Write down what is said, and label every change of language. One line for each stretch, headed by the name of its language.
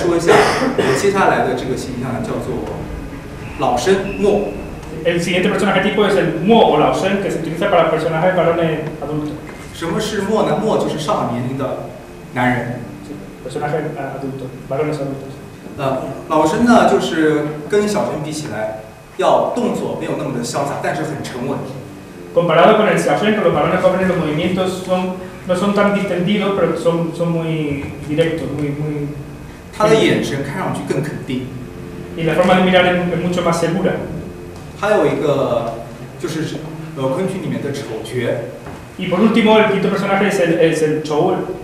Chinese: 我再说一下我接下来的这个形象叫做 Lao Shen, Mo.
Spanish: El siguiente personaje tipo es el Mo o Lao Shen, que se utiliza para personajes varones adultos.
Chinese: 什么是Mo呢? Mo就是上年龄的男人。
Spanish: Personaje adulto, varones adultos.
Chinese: Lao Shen呢, 就是跟小Shen比起来, 要动作没有那么的潇洒, 但是很沉稳。
Spanish: Comparado con el Xiao Shen, con los varones jóvenes, los movimientos son, no son tan distendidos, pero son, son muy directos, muy, muy...
Chinese: 他的眼神看上去更肯定。
Spanish: Y la forma de mirar es mucho más segura.
Chinese: 还有一个就是昆曲里面的丑角。
Spanish: Y por último el quinto personaje es el Chou.